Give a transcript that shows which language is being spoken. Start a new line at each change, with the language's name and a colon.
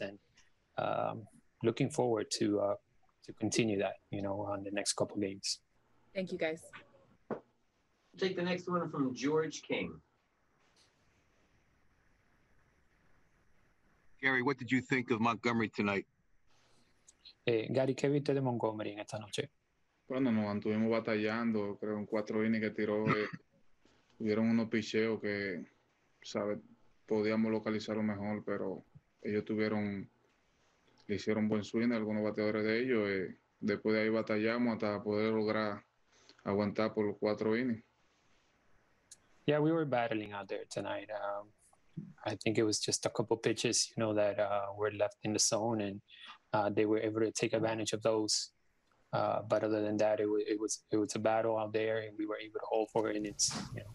English: And looking forward to continue that, on the next couple of games. Thank you, guys. Take the next one from George King. Gary, what did you think of Montgomery tonight?
Spanish: Gary, ¿qué viste de Montgomery en esta noche? Bueno, nos mantuvimos batallando, creo en cuatro innings que tiró, hubieron unos picheos que, sabes, podíamos localizarlo mejor, pero ellos tuvieron. Le hicieron buen swing a algunos bateadores de ellos. Después de ahí batallamos hasta poder lograr aguantar por los cuatro innings.
English: Yeah, we were battling out there tonight. I think it was just a couple pitches, that were left in the zone, and they were able to take advantage of those. But other than that, it was a battle out there, and we were able to hold for it. And it's